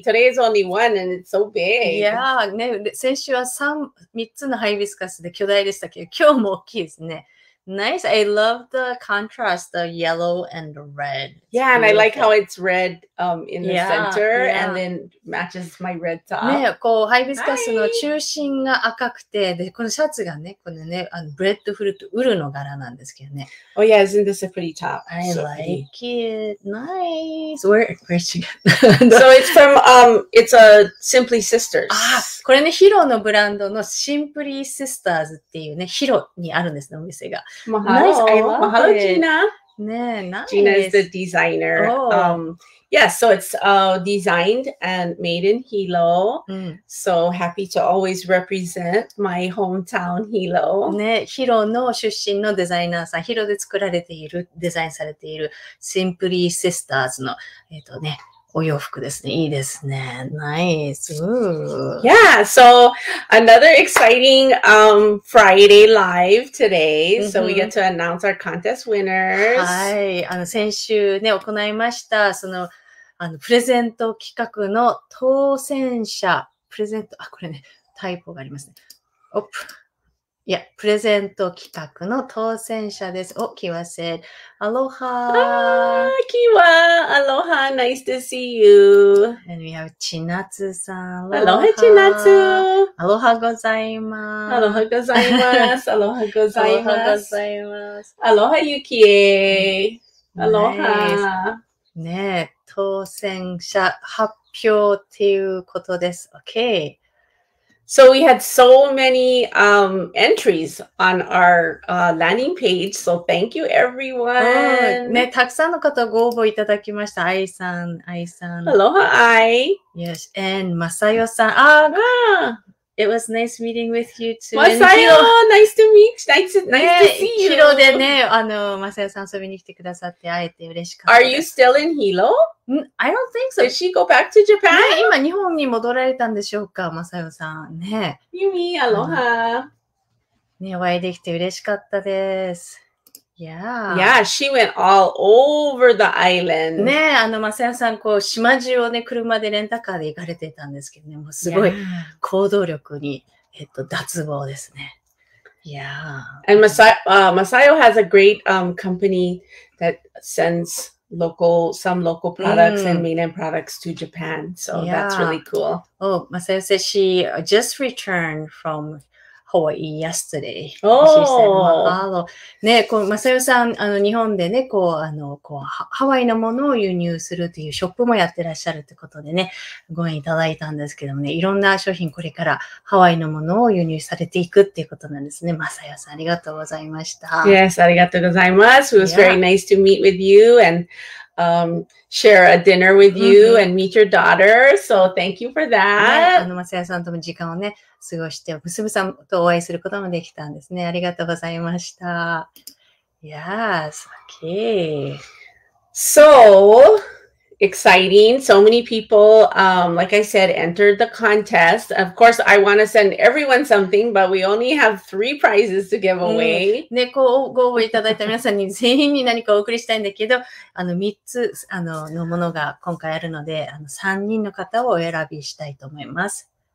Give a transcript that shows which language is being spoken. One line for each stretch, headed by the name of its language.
English: Today is only one and it's so big. Yeah.
Japanese: ね、先週は三つのハイビスカスで巨大でしたけど、今日も大きいですね。
English: Nice. I love the contrast, the yellow and the red. Yeah, and、beautiful. I like how it's red、in the yeah, center yeah. and then matches my red top.
Japanese: ね、こうハイビスカスの中心が赤くて、で、このシャツがね、このね、あのブレッドフルとウルの柄なんですけどね。
English: Oh yeah, isn't this a pretty top? I、so、like、pretty. It. Nice. Where's she got? So it's from, it's a Simply Sisters.
Japanese: あ、これね、ヒロのブランドの Simply Sisters っていうね、ヒロにあるんですね、お店が。
English: Mahalo, Gina. Nice. Gina is the designer.、 Oh. Yeah, so it's、designed and made in Hilo.、 Mm. So happy to always represent my hometown, Hilo. ね、Hilo の出身のデザイナーさん、Hilo で作られている、デザインされている Simply Sisters の、ね、お洋服ですね。いいですね。 Nice. Ooh. Yeah, so another exciting、Friday live today.、Mm-hmm. So we get to announce our contest winners.
Japanese: はい。あの、先週ね、行いました。その、あの、プレゼント企画の当選者、プレゼント、あ、これね、タイプがありますね。おっ。いや、プレゼント企画の当選者です。お、キワセ。アロハ
English: ー。 あー、キワ。アロハー。Nice to see you. And we have チナツさん。
Japanese: アロハチナツ。アロハございます。アロハございます。アロハございます。アロハございます。アロハユキエ。アロハ。ねえ、当選者発表っていうことです。
English: Okay. So we had so many、entries on our、landing page. So thank you, everyone.
Japanese: ね、たくさんの方ご応募いただきました。アイさん、アイさん。
English: Aloha, Ai. Yes, and Masayo さん。ああ、ah. It was nice meeting with you too. Masayo, nice to meet you. Nice to see you.
Japanese: Hilo でね、あの、Masayo さん遊びに来てくださって会えて嬉しかったです。
English: Are you still in Hilo? I don't think so. Did she go back to Japan?
Japanese: ね、今日本に戻られたんでしょうか、マサヨさん。ね。ユミ、アロハ。ね、お会いできて嬉しかったです。
English: Yeah. Yeah, she went all over the island.
Japanese: ね、あのマサヨさん、こう島中をね、車でレンタカーで行かれてたんですけどね、もうすごい行動力に、脱帽ですね。
English: Yeah. And Masayo has a great company that sends. Local, some local products、mm. and mainland products to Japan. So、yeah. that's really cool. Oh, Masayo said she just returned from Hawaii yesterday. Oh, she said, Mahalo.
Japanese: ね、こう、Masayo さん、あの、日本でね、こう、あの、こう、ハワイのものを輸入するというショップもやってらっしゃるということでね、ご縁いただいたんですけどもね、いろんな商品これからハワイのものを輸入されていくっていうことなんですね。 Masayo さん、ありがとうございました。 Yes, ありがとうございます。
English: It was very nice to meet with you and,share a dinner with you、mm-hmm. and meet your daughter. So thank you for that.、
Japanese: ね、あの、Masayo さんとも時間をね、過ごして、娘さんとお会いすることもできたんですね。ありがとうございました。
English: Yes, okay. So exciting. So many people,、like I said, entered the contest. Of course, I want to send everyone something, but we only have three prizes to give away.、
Japanese: ね、こうご応募いただいた皆さんに全員に何かお送りしたいんだけど、あの3つあ の, のものが今回あるので、あの3人の方をお選びしたいと思います。